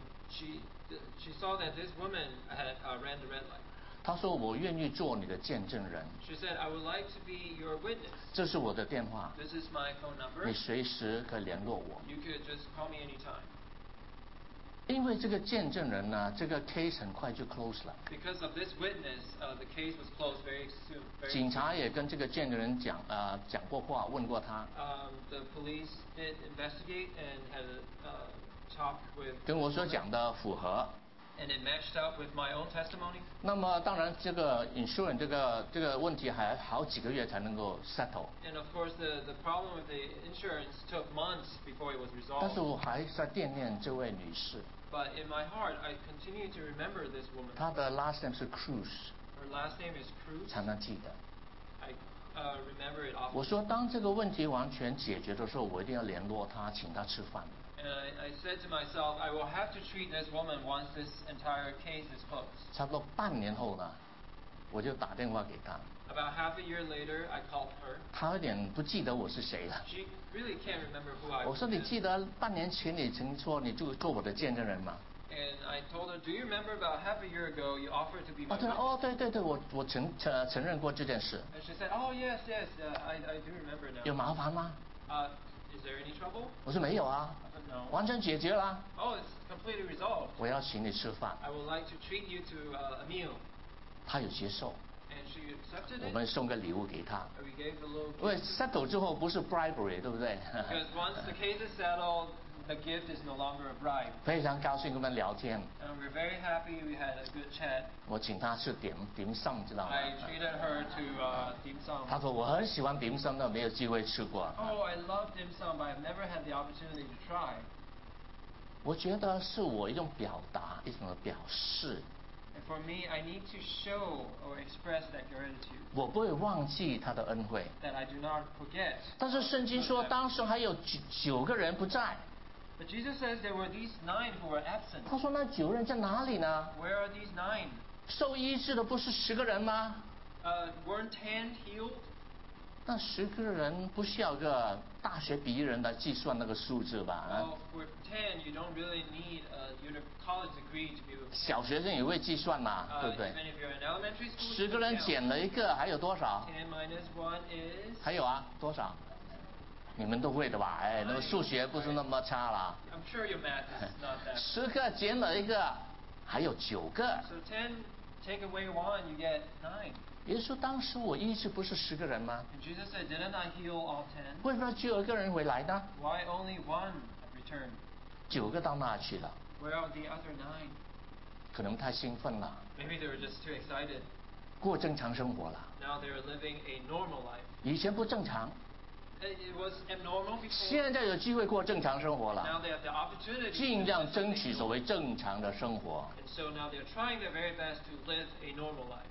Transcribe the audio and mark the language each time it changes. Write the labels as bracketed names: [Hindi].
[English] She saw that this woman had ran the red light. [Chinese] 他说我愿意做你的见证人。 [English] She said I would like to be your witness. [Chinese] 这是我的电话。 [English] This is my phone number. [Chinese] 你随时可以联络我。 [English] You could just call me anytime. [Chinese] 因为这个见证人呢，这个 case 很快就 close 了。 [English] Because of this witness, the case was closed very soon. [Chinese] 警察也跟这个见证人讲，讲过话，问过他。 [English] The police did investigate and had a talk with. [Chinese] 跟我所讲的符合。 [English] And it matched up with my own testimony. [Chinese] 那么当然，这个 insurance 这个问题还好几个月才能够 settle. [English] And of course, the problem with the insurance took months before it was resolved. [Chinese] 但是我还在惦念这位女士。 [English] But in my heart, I continue to remember this woman. [Chinese] 她的 last name 是 Cruz. [English] Her last name is Cruz. [Chinese] 常常记得。 [English] I remember it often. [Chinese] 我说当这个问题完全解决的时候，我一定要联络她，请她吃饭。 [English] And I said to myself, I will have to treat this woman once this entire case is closed. [Chinese] 差不多半年后呢，我就打电话给她。 [English] About half a year later, I called her. [Chinese] 她有点不记得我是谁了。 [English] She really can't remember who I was. [Chinese] 我说你记得半年前你曾说你就做我的见证人吗 [English] ？And I told her, Do you remember about half a year ago you offered to be my? [Chinese] 哦对哦对对对，我承认过这件事。 [English] And she said, Oh yes, yes, I do remember now. [Chinese] 有麻烦吗？ [English] Is there any trouble? [Chinese] 我说没有啊， [English] no. [Chinese] 完全解决了。 [English] Oh, it's completely resolved. [Chinese] 我要请你吃饭。 [English] I would like to treat you to a meal. [Chinese] 他有接受。 [English] And she accepted it. [Chinese] 我们送个礼物给他。 [English] And we gave a little. [Chinese] 因为 settle 之后不是 bribery， 对不对 [English] ？Because once the case is settled, the gift is no longer a bribe. [Chinese] 非常高兴跟我们聊天。 [English] And we're very happy we had a good chat. [Chinese] 我请他吃dim sum， 知道吗 [English] ？I treated her to dim sum. [Chinese] 他说我很喜欢 dim sum， 但没有机会吃过。 [English] Oh, I love dim sum, but I've never had the opportunity to try. [Chinese] 我觉得是我一种表达，一种表示。 [English] For me, I need to show or express that gratitude. [Chinese] 我不会忘记他的恩惠。 [English] That I do not forget. [Chinese] 但是圣经说，当时还有九个人不在。 [English] But Jesus says there were these nine who were absent. [Chinese] 他说那九人在哪里呢？ [English] Where are these nine? [Chinese] 受医治的不是十个人吗？ [English] Weren't ten healed? [Chinese] 那十个人不需要个大学毕业人来计算那个数字吧？ [English] For ten, you don't really need a college degree to be able to count. [Chinese] 小学生也会计算嘛，对不对？ [English] Even if you're in elementary school, [Chinese] 十个人减了一个，还有多少？ [English] Ten minus one is. [Chinese] 还有啊，多少？你们都会的吧？哎，那个数学不是那么差了。 [English] I'm sure your math is not that. [Chinese] 十个减了一个，还有九个。 [English] So ten, take away one, you get nine. [Chinese] 耶稣当时我医治不是十个人吗？ [English] Jesus said, didn't I heal all ten? [Chinese] 为什么只有一个人回来呢？ [English] Why only one returned? [Chinese] 九个到哪去了？ [English] Where are the other nine? [Chinese] 可能太兴奋了。 [English] Maybe they were just too excited. [Chinese] 过正常生活了。 [English] Now they're living a normal life. [Chinese] 以前不正常。 [English] It was abnormal before. [Chinese] 现在有机会过正常生活了。 [English] Now they have the opportunity. [Chinese] 尽量争取所谓正常的生活。 [English] And so now they're trying their very best to live a normal life.